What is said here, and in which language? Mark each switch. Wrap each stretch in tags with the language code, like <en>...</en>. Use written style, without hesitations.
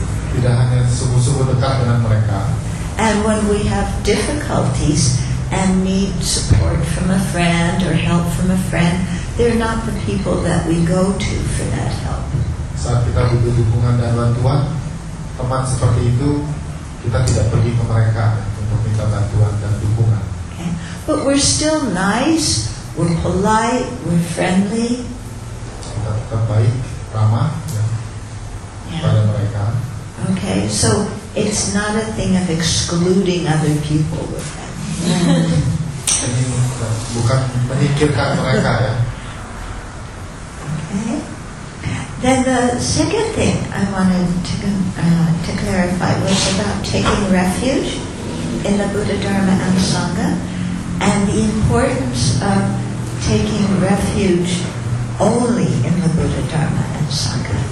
<id>Tidak hanya sungguh-sungguh dekat dengan mereka.</id> <en>And when we have difficulties and need support from a friend or help from a friend, they're not the people that we go to for that help.</en> <id>Saat kita butuh dukungan dan bantuan, teman seperti itu kita tidak pergi ke mereka untuk minta bantuan dan dukungan.</id> <en>Okay. But we're still nice, we're polite, we're friendly.</en> <id>Kita tetap baik, ramah ya, pada mereka.</id> <en>Okay, so it's not a thing of excluding other people with that.</en> <id>Ini bukan menyingkirkan mereka ya.</id> <en>Okay. Then the second thing I wanted to clarify was about taking refuge in the Buddha, Dharma, and Sangha, and the importance of taking refuge only in the Buddha, Dharma, and Sangha.</en>